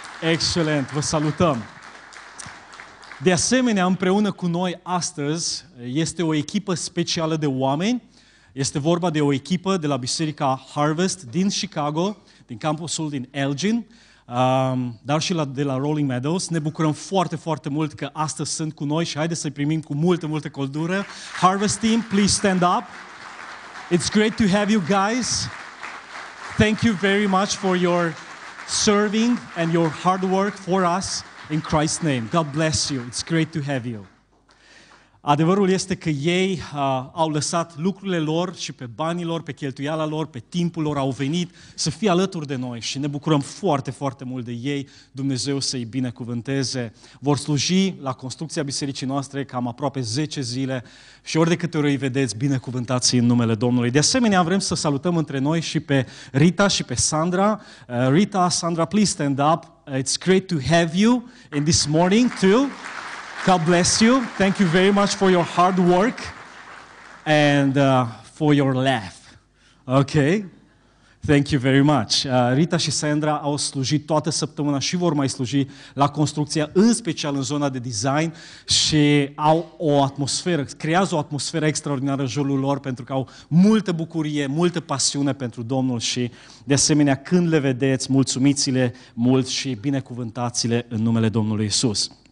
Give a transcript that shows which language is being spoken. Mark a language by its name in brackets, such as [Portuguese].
[Romanian] Excelent, vă salutăm! De asemenea, împreună cu noi astăzi este o echipă specială de oameni. Este vorba de o echipă de la Biserica Harvest din Chicago, din campusul din Elgin, dar și de la Rolling Meadows. Ne bucurăm foarte, foarte mult că astăzi sunt cu noi și haideți să-i primim cu multă, multă căldură. [English] Harvest Team, please stand up. It's great to have you guys. Thank you very much for your serving and your hard work for us in Christ's name. God bless you. It's great to have you. [Romanian] Adevărul este că ei au lăsat lucrurile lor și pe banii lor, pe cheltuiala lor, pe timpul lor, au venit să fie alături de noi și ne bucurăm foarte, foarte mult de ei. Dumnezeu să-i binecuvânteze. Vor sluji la construcția bisericii noastre cam aproape 10 zile și ori de câte ori îi vedeți, binecuvântați în numele Domnului. De asemenea, vrem să salutăm între noi și pe Rita și pe Sandra. [English] Rita, Sandra, please stand up. It's great to have you in this morning too. God bless you. Thank you very much for your hard work and for your laugh. Ok? Thank you very much. [Romanian] Rita și Sandra au slujit toată săptămâna și vor mai sluji la construcția, în special în zona de design, și au o atmosferă, creează o atmosferă extraordinară în jurul lor pentru că au multă bucurie, multă pasiune pentru Domnul și, de asemenea, când le vedeți, mulțumiți-le mult și binecuvântați-le în numele Domnului Iisus.